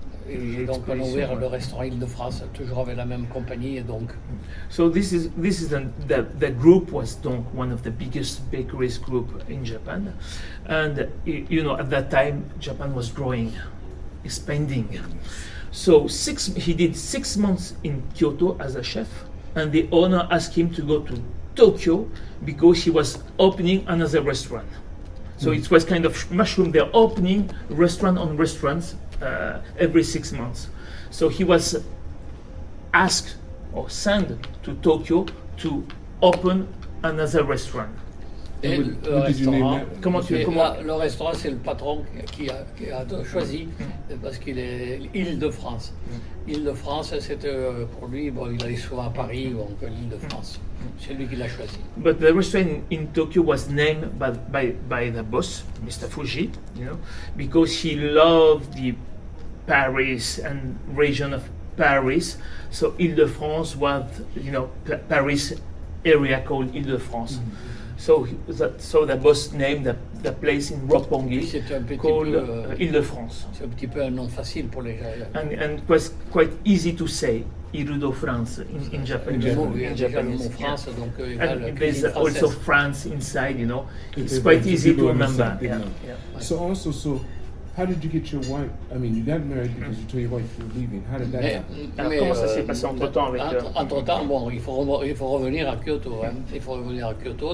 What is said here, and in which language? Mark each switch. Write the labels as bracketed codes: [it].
[fr] Et donc, on a ouvert le restaurant Île-de-France, toujours avec la même compagnie, et donc. [en] So this is the group was donc one of the biggest bakeries group in Japan. And, you know, at that time, Japan was growing. Expanding. So he did six months in Kyoto as a chef, and the owner asked him to go to Tokyo because he was opening another restaurant. So it was kind of mushroom. They're opening restaurant on restaurants every 6 months. So he was asked or sent to Tokyo to open another restaurant. And what did you name that? [fr] Le restaurant, c'est le patron qui a choisi parce qu'il est Île-de-France. Île-de-France, c'était pour lui, bon, il allait souvent à Paris, donc l'Île-de-France. C'est lui qui l'a choisi. [en] But the restaurant in Tokyo was named by the boss, Mr. Fuji, you know, because he loved the Paris and region of Paris. So Île-de-France was, you know, Paris area called Île-de-France. Mm-hmm. So the boss named the place in Roppongi called Île-de-France. [fr] C'est un petit peu un nom facile pour les gens. [en] And it was quite easy to say Île-de-France in Japanese. There's also France inside, you know. It's quite easy to remember. So how did you get your wife? I mean, you got married because you told your wife you were leaving. How did that happen? [fr] Comment ça s'est passé entre-temps avec eux? Entre-temps, bon, il faut revenir à Kyoto. Hein. Il faut revenir à Kyoto.